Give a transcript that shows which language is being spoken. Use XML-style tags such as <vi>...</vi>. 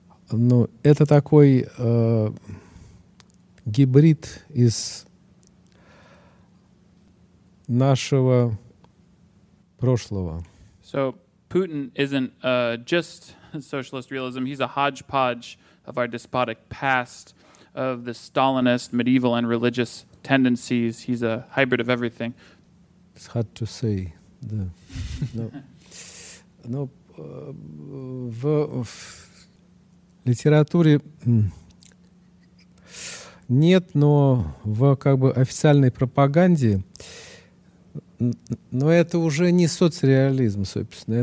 <ru>Ну, это такой гибрид из нашего прошлого.</ru> <en>So Putin isn't just socialist realism. He's a hodgepodge of our despotic past, of the Stalinist, medieval, and religious tendencies. He's a hybrid of everything. It's hard to say. The, no.</en> <ru>Но в литературе нет, но в как бы официальной пропаганде, но это уже не соцреализм, собственно.</ru>